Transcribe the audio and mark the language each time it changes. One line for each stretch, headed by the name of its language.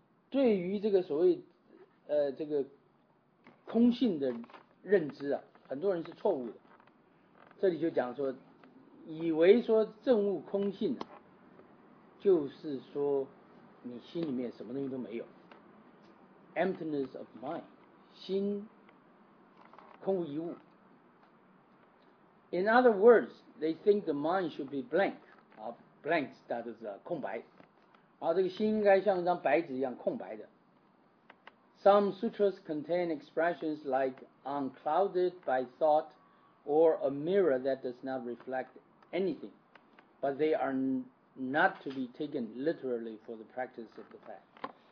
Chinese: 对于这个所谓这个空性的认知啊，很多人是错误的，这里就讲说，以为说证悟空性、啊、就是说你心里面什么东西都没有 ，
English: emptiness of mind，
Chinese: 心空无一物。
English: In other words, they think the mind should be blank.
Chinese: 啊 ，blank 大家都知道空白，啊，这个心应该像一张白纸一样空白的。
English: Some sutras contain expressions like unclouded by thought or a mirror that does not reflect anything, but they are not to be taken literally for the practice of the path.